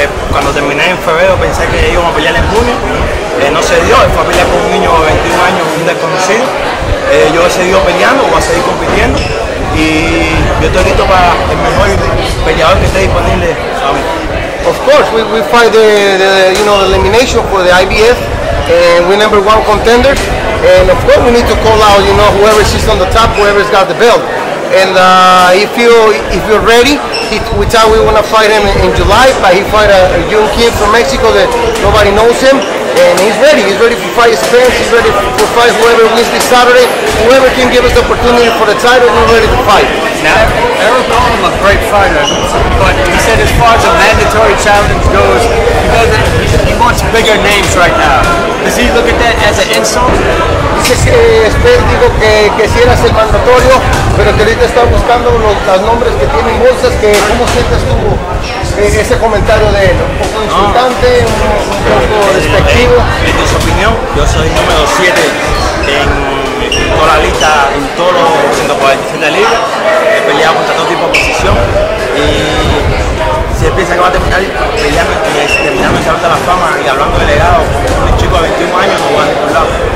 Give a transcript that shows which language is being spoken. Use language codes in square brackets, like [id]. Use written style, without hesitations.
[es] Cuando terminé en febrero pensé que iban a pelear en junio, no se dio, fue a pelear con un niño de 21 años, un desconocido. Yo he seguido peleando, voy a seguir compitiendo y yo estoy listo para el mejor peleador que esté disponible a mí. [en] Of course, we fight the elimination for the IBF, and we're number one contender, and of course we need to call out, you know, whoever is on the top, whoever's got the belt. And if you're ready, we thought we want to fight him in July, but he fight a young kid from Mexico that nobody knows him, and he's ready. He's ready to fight Spence, he's ready to fight whoever wins this Saturday. Whoever can give us the opportunity for the title, we're ready to fight. Now, Errol called him a great fighter, but he said as far as a mandatory challenge goes, he wants bigger names right now. Does he look at that as an insult? [es] Spence dijo que si eras el mandatorio, pero que ahorita está buscando los nombres que tienen bolsas, que cómo sientes tú ese comentario de él, un poco insultante, un poco despectivo. En su opinión, yo soy número 7 en toda la lista, en todos los 147 libras, he peleado contra todo tipo de posición y si él piensa que va a terminar peleando y terminando en Salón de la Fama y hablando de legado, un chico de 21 años no va a ningún lado.